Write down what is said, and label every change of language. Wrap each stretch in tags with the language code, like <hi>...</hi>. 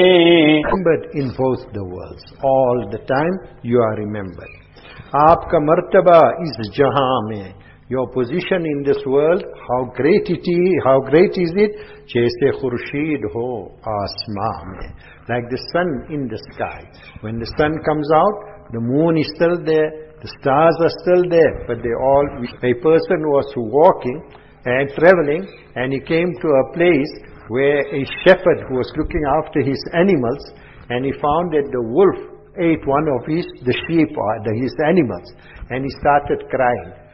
<en>Remembered in both the worlds. All the time you are remembered.</en> <ur>آپ کا مرتبہ is جہاں میں.</ur> <en>Your position in this world, how great is it?</en> <ur>جیسے خورشید ہو آسمان میں.</ur> <en>Like the sun in the sky. When the sun comes out, the moon is still there, the stars are still there, but they all, a person was walking, and traveling, and he came to a place where a shepherd who was looking after his animals, and he found that the wolf ate one of his animals, and he started crying.</en>